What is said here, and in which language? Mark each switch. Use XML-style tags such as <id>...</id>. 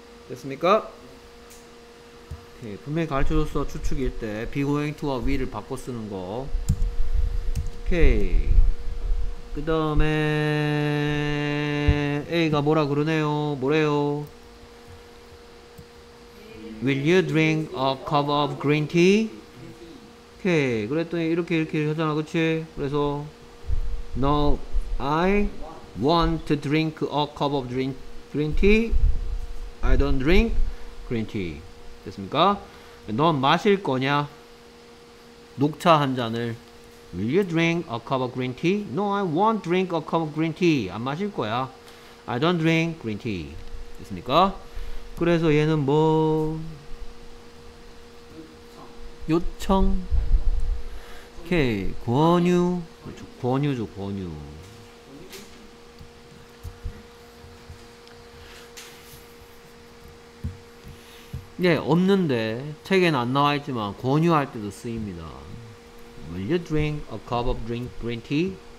<ko>됐습니까? 오케이, 분명히 가르쳐줬어. 추측일 때 be going to와 will을 바꿔 쓰는 거. 오케이. 그 다음에 A가 뭐라 그러네요. 뭐래요?</ko> <en>Will you drink a cup of green tea?</en> <ko>오케이. 그랬더니 이렇게 하잖아. 그치? 그래서</ko> <en>No, I want to drink a cup of green tea. I don't drink green tea.</en> <ko>됐습니까? 넌 마실 거냐? 녹차 한 잔을.</ko> <en>Will you drink a cup of green tea? No, I won't drink a cup of green tea.</en> <ko>안 마실 거야.</ko> <en>I don't drink green tea.</en> <ko>됐습니까? 그래서 얘는 뭐? 요청. 오케이. 권유. 그렇죠. 권유죠. 권유. 네, 없는데 책에는 안 나와 있지만 권유할 때도 쓰입니다.</ko> <en>Will you drink a cup of green tea?</en>